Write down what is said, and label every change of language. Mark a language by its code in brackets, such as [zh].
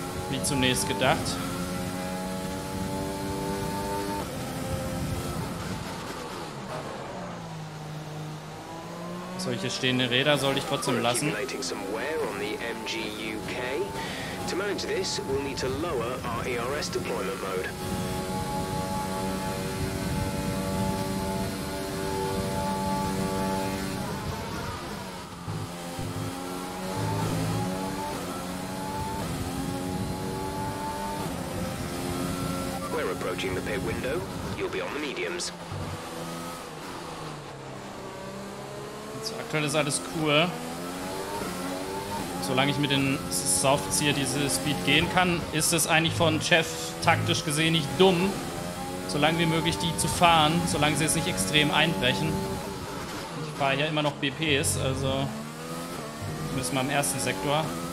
[de] Wie zunächst gedacht. Das Solche stehende Räder soll ich trotzdem lassen. [en] Approaching the pit window, you'll be on the mediums. [de] Jetzt aktuell ist alles cool. Solange ich mit den Softs hier diese Speed gehen kann, ist es eigentlich von Jeff taktisch gesehen nicht dumm, so lange wie möglich die zu fahren, solange sie es nicht extrem einbrechen. Ich fahre ja immer noch BPs, also müssen wir im ersten Sektor.